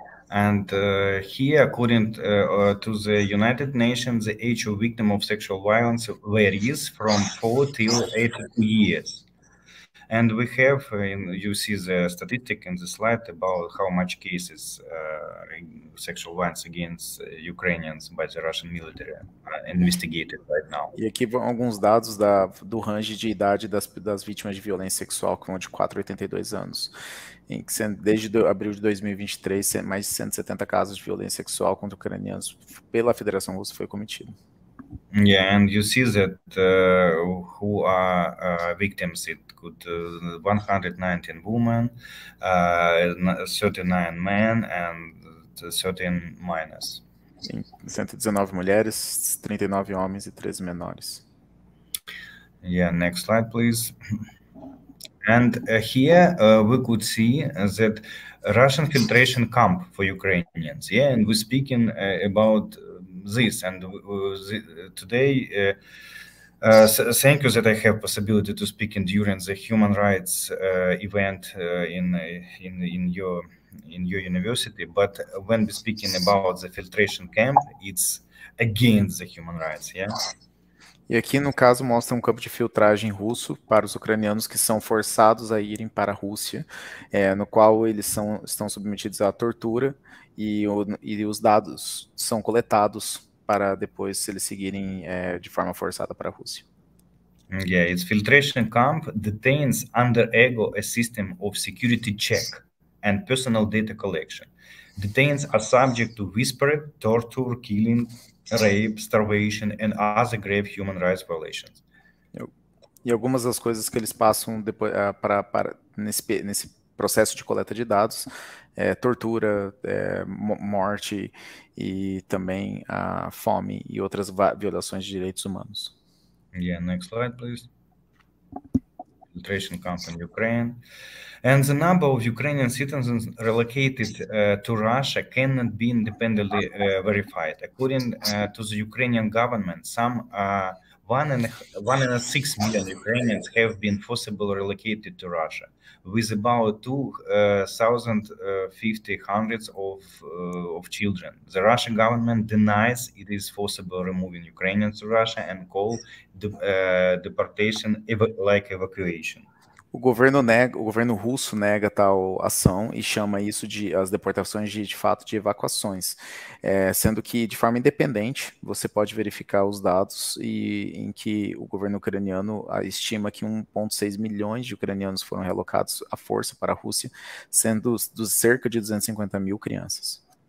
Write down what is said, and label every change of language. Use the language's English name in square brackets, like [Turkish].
[English] And here, according to the United Nations, the age of victim of sexual violence varies from 4 to 8 years. And we have, you see the statistic in the slide about how much cases sexual violence against Ukrainians by the Russian military investigated right now. [Portuguese] E aqui vão alguns dados do range de idade das vítimas de violência sexual, que vão de 4 a 82 anos. Desde abril de 2023, mais de 170 casos de violência sexual contra ucranianos pela Federação Russa foi cometido. [English] Yeah, and you see that who are victims, it could 119 women, 39 men, and 13 minors. [Portuguese] Sim, 119 mulheres, 39 homens e 13 menores. [English] Yeah, next slide, please. And here we could see that Russian filtration camp for Ukrainians. Yeah, and we're speaking about this, and today thank you that I have possibility to speak in during the human rights event in your university, but when we're speaking about the filtration camp, it's against the human rights. Yeah. [Portuguese] E aqui no caso mostra um campo de filtragem russo para os ucranianos que são forçados a irem para a Rússia, no qual eles estão submetidos à tortura e os dados são coletados para depois eles seguirem de forma forçada para a Rússia. [English] Yeah, its filtration camp detains under ego a system of security check and personal data collection. Detains are subject to whispered torture, killing, rape, starvation and other grave human rights violations. [Portuguese] E algumas das coisas que eles passam depois nesse processo de coleta de dados, tortura, morte e também a fome e outras violações de direitos humanos. [English] Yeah, next slide, please. Filtration camp in Ukraine. And the number of Ukrainian citizens relocated to Russia cannot be independently verified. According to the Ukrainian government, some 1.6 million Ukrainians have been forcibly relocated to Russia, with about 2,500 of children. The Russian government denies it is forcibly removing Ukrainians to Russia and call deportation like evacuation. [Portuguese] O governo russo nega tal ação e chama isso de as deportações de fato de evacuações, sendo que de forma independente você pode verificar os dados e em que o governo ucraniano estima que 1,6 milhões de ucranianos foram relocados à força para a Rússia, sendo dos cerca de 250 mil crianças.